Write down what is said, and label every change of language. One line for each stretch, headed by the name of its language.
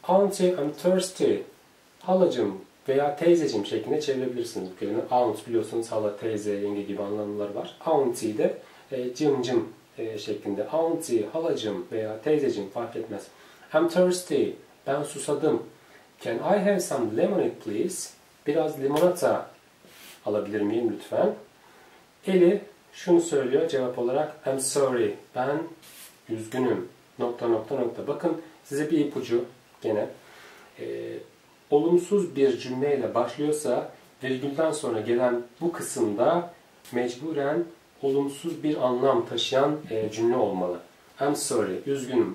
English: Auntie, I'm thirsty.
Turkish: Halacım veya teyzeciğim şeklinde çevirebilirsiniz bu kelime. Aunt biliyorsunuz hala teyze, yenge gibi anlamları var. Auntie de cim cim şeklinde. Auntie, halacım veya teyzeciğim fark etmez.
English: I'm thirsty.
Turkish: Ben susadım.
English: Can I have some lemonade please?
Turkish: Biraz limonata alabilir miyim lütfen? Eli şunu söylüyor cevap olarak.
English: I'm sorry.
Turkish: Ben üzgünüm. Nokta nokta nokta. Bakın size bir ipucu gene. Olumsuz bir cümleyle başlıyorsa virgülden sonra gelen bu kısımda mecburen olumsuz bir anlam taşıyan cümle olmalı.
English: I'm sorry.
Turkish: Üzgünüm.